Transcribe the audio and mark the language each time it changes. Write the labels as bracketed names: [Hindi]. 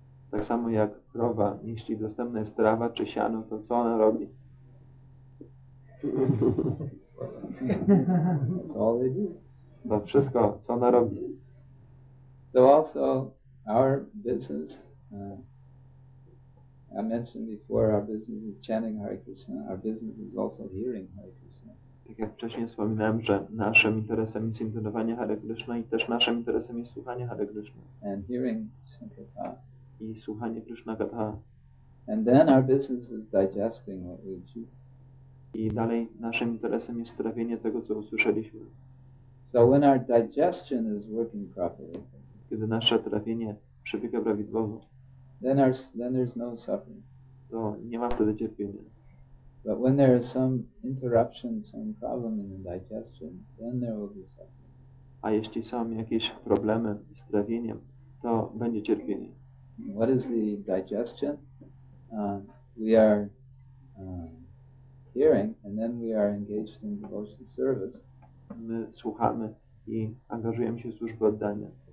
[Polish] Tak samo jak krowa, jeśli dostępna jest trawa czy siano, to co ona robi? [English] That's all they do. [Polish] To wszystko, co ona robi. [English] So also, our business, I mentioned before, our business is chanting Hare Krishna. Our business is also hearing Hare Krishna. [Polish] Tak jak wcześniej wspominałem, że naszym interesem jest intonowanie Hare Krishna i też naszym interesem jest słuchanie Hare Krishna. [English] And hearing Krishna Katha. [Polish] I słuchanie Krishna Katha. [English] And then our business is digesting what we do. [Polish] I dalej naszym interesem jest trawienie tego, co usłyszeliśmy. [English] So when our digestion is working properly, [Polish] kiedy nasze trawienie przebiega prawidłowo, [English] then there's no suffering. [Polish] To nie ma wtedy cierpienia. [English] But when there is some interruption, some problem in the digestion, then there will be suffering. [Polish] A jeśli są jakieś problemy z trawieniem, to będzie cierpienie. [English] What is the digestion? We are hearing, and then we are engaged in devotional service. [Polish] My słuchamy i angażujemy się w służbę oddania.